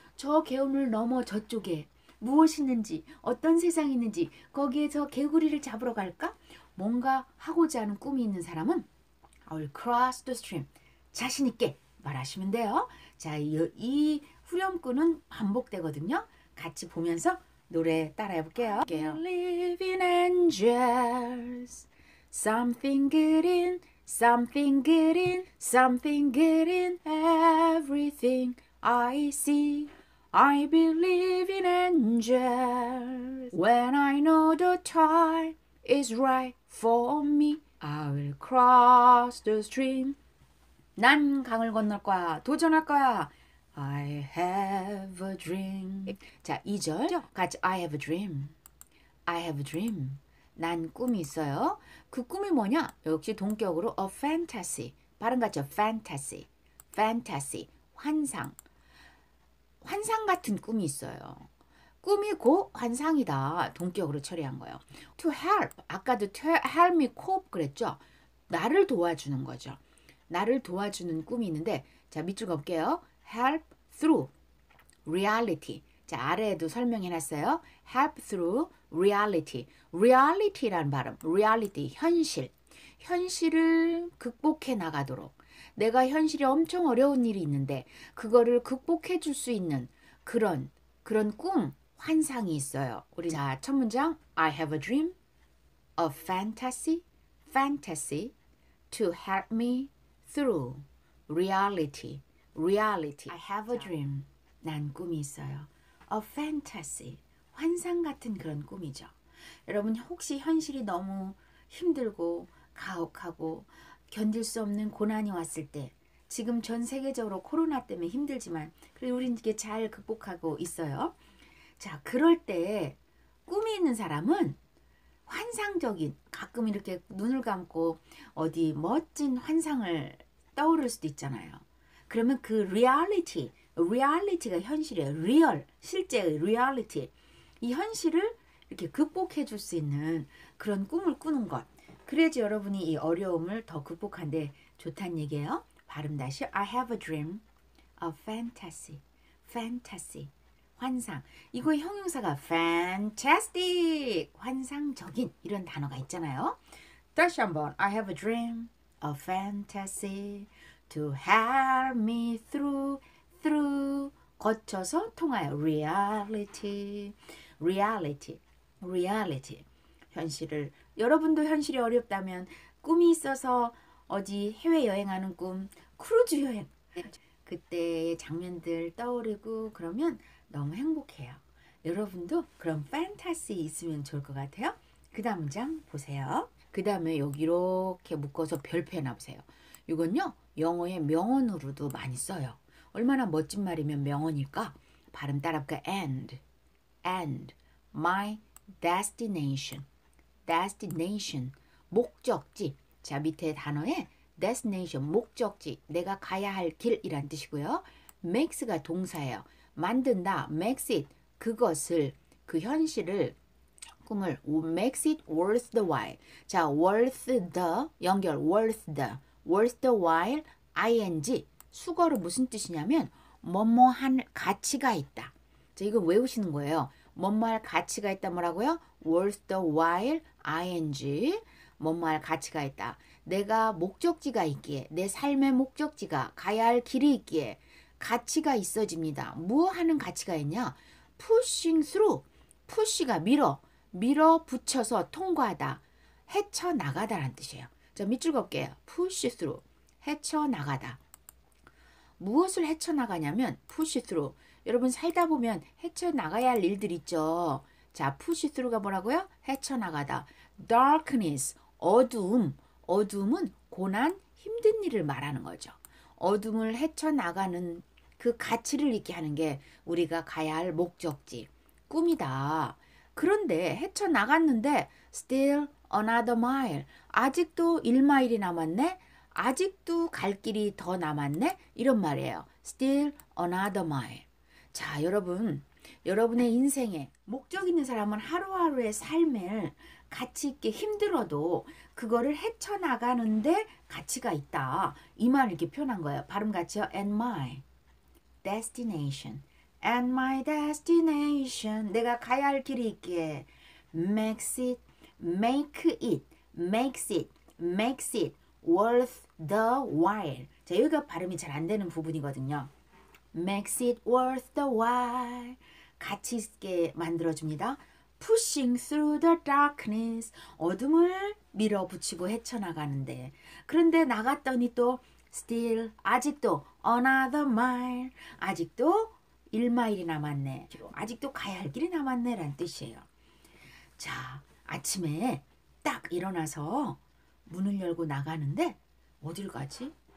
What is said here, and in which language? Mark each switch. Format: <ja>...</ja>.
<ko>저 개울물 넘어 저쪽에 무엇이 있는지, 어떤 세상이 있는지, 거기에서 개구리를 잡으러 갈까? 뭔가 하고자 하는 꿈이 있는 사람은</ko> <en>I will cross the stream.</en> <ko>자신 있게 말하시면 돼요. 자, 이 후렴구는 반복되거든요. 같이 보면서 노래 따라해볼게요.</ko> <en>I believe in angels. Something good in, something good in, something good in everything I see. I believe in angels. When I know the time is right for me, I will cross the stream.</en> <ko>난 강을 건널 거야. 도전할 거야.</ko> <en>I have a dream.</en> <ko>자, 2절 같이.</ko> <en>I have a dream. I have a dream.</en> <ko>난 꿈이 있어요. 그 꿈이 뭐냐? 역시 동격으로 a fantasy. 발음 같죠? Fantasy. Fantasy. 환상. 환상 같은 꿈이 있어요. 꿈이고 환상이다. 동격으로 처리한 거예요.</ko> <en>To help.</en> <ko>아까도</ko> <en>to help me cope</en> <ko>그랬죠? 나를 도와주는 거죠. 나를 도와주는 꿈이 있는데 자, 밑줄 볼게요.</ko> <en>Help through reality.</en> <ko>자, 아래에도 설명해놨어요.</ko> <en>Help through reality.</en> <ko>Reality라는 발음. Reality, 현실. 현실을 극복해 나가도록. 내가 현실에 엄청 어려운 일이 있는데 그거를 극복해 줄 수 있는 그런 꿈, 환상이 있어요. 우리 자, 첫 문장.</ko> <en>I have a dream, a fantasy, fantasy to help me through reality, reality. I have a dream.</en> <ko>난 꿈이 있어요. A fantasy, 환상 같은 그런 꿈이죠. 여러분 혹시 현실이 너무 힘들고 가혹하고 견딜 수 없는 고난이 왔을 때, 지금 전 세계적으로 코로나 때문에 힘들지만 그리고 우린 이게 잘 극복하고 있어요. 자, 그럴 때 꿈이 있는 사람은 환상적인, 가끔 이렇게 눈을 감고 어디 멋진 환상을 떠오를 수도 있잖아요. 그러면 그 reality, reality가 현실이에요. real, 실제의 reality. 이 현실을 이렇게 극복해 줄 수 있는 그런 꿈을 꾸는 것. 그래야지 여러분이 이 어려움을 더 극복한 데 좋다는 얘기예요. 발음 다시.</ko> <en>I have a dream, a fantasy, fantasy, 환상. 이거의 형용사가 fantastic, 환상적인 이런 단어가 있잖아요. 다시 한번. I have a dream, a fantasy to help me through, through,</en> <ko>거쳐서 통하여</ko> <en>reality, reality, reality, 현실을.</en> <ko>여러분도 현실이 어렵다면 꿈이 있어서 어디 해외여행하는 꿈, 크루즈 여행, 그때의 장면들 떠오르고 그러면 너무 행복해요. 여러분도 그런 판타시 있으면 좋을 것 같아요. 그 다음 문장 보세요. 그 다음에 여기 이렇게 묶어서 별표 해놔보세요. 이건요, 영어의 명언으로도 많이 써요. 얼마나 멋진 말이면 명언일까? 발음 따라볼까?</ko> <en>And my destination.</en> <ko>Destination, 목적지. 자, 밑에 단어에 destination, 목적지, 내가 가야 할 길이란 뜻이고요. makes가 동사예요. 만든다, makes it, 그것을, 그 현실을, 꿈을,</ko> <en>makes it worth the while.</en> <ko>자, worth the, 연결, worth the while, ing, 수거로 무슨 뜻이냐면, 뭐뭐한 가치가 있다. 자, 이거 외우시는 거예요. 뭐뭐할 가치가 있다 뭐라고요? worth the while, ing, 뭐뭐할 가치가 있다. 내가 목적지가 있기에, 내 삶의 목적지가, 가야 할 길이 있기에, 가치가 있어집니다. 뭐 하는 가치가 있냐?</ko> <en>pushing through.</en> <ko>push가 밀어. 밀어 붙여서 통과하다. 헤쳐나가다라는 뜻이에요. 자, 밑줄 걷게. push through. 헤쳐나가다. 무엇을 헤쳐나가냐면 push through. 여러분 살다 보면 헤쳐나가야 할 일들 있죠. 자, push through가 뭐라고요? 헤쳐나가다. darkness. 어두움. 어두움은 고난, 힘든 일을 말하는 거죠. 어둠을 헤쳐나가는 그 가치를 있게 하는 게 우리가 가야 할 목적지, 꿈이다. 그런데 헤쳐나갔는데</ko> <en>still another mile.</en> <ko>아직도 1마일이 남았네? 아직도 갈 길이 더 남았네? 이런 말이에요.</ko> <en>still another mile.</en> <ko>자, 여러분, 여러분의 인생에 목적 있는 사람은 하루하루의 삶을 가치 있게 힘들어도 그거를 헤쳐나가는데 가치가 있다. 이 말을 이렇게 표현한 거예요. 발음 같이요.</ko> <en>And my destination. And my destination.</en> <ko>내가 가야 할 길이 있기에.</ko> <en>Makes it. Make it. Makes it. Makes it. Worth the while.</en> <ko>자, 여기가 발음이 잘 안 되는 부분이거든요.</ko> <en>Makes it worth the while.</en> <ko>가치 있게 만들어줍니다.</ko> <en>Pushing through the darkness.</en> <ko>어둠을 밀어붙이고 헤쳐나가는데. 그런데 나갔더니 또 still, 아직도</ko> <en>another mile.</en> <ko>아직도 1마일이 남았네. 아직도 가야 할 길이 남았네 라는 뜻이에요. 자, 아침에 딱 일어나서 문을 열고 나가는데 어딜 가지?</ko>